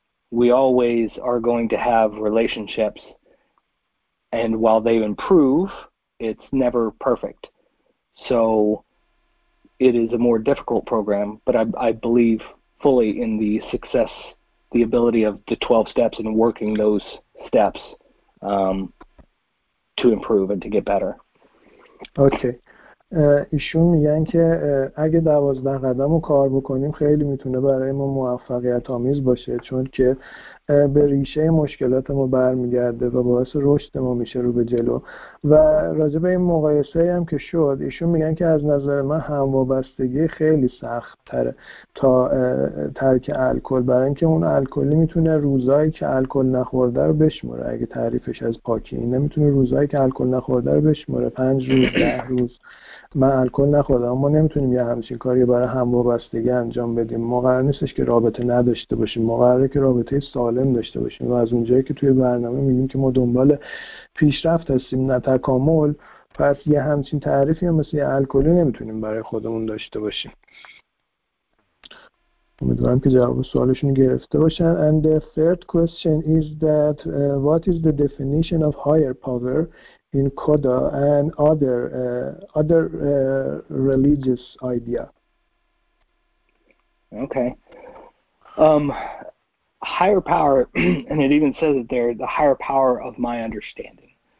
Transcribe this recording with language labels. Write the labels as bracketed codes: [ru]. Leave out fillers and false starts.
[en] We always are going to have relationships, and while they improve, it's never perfect. So it is a more difficult program, but I believe fully in the success, the ability of the 12 steps and working those steps to improve and to get better. Okay. [fa] ایشون میگن که اگه 12 قدم رو کار بکنیم خیلی میتونه برای ما موفقیت آمیز باشه، چون که به ریشه مشکلات ما برمیگرده و باعث رشد ما میشه رو به جلو. و راجع به این مقایسه هم که شد، ایشون میگن که از نظر من هم وابستگی خیلی سخت تره تا ترک الکل، برای اینکه اون الکلی میتونه روزایی که الکل نخورده رو بشموره، اگه تعریفش از پاکی اینه، میتونه روزایی که الکل نخورده رو بشموره، 5 روز 10 روز من الکل نخوردم. ما نمیتونیم یه همچین کاری برای هم وابستگی انجام بدیم. ما قرار نیستش که رابطه نداشته باشیم، ما قراره که رابطه سالم داشته باشیم. و از اونجایی که توی برنامه میگیم که ما دنبال پیشرفت هستیم نه تکامل، پس یه همچین تعریفی هم مثل یه الکلی نمیتونیم برای خودمون داشته باشیم. امیدوارم که جواب سوالشون گرفته باشن. [en] And the third question is that what is the definition of higher power in CODA and other religious idea? Okay. Higher power, and it even says it there, the higher power of my understanding.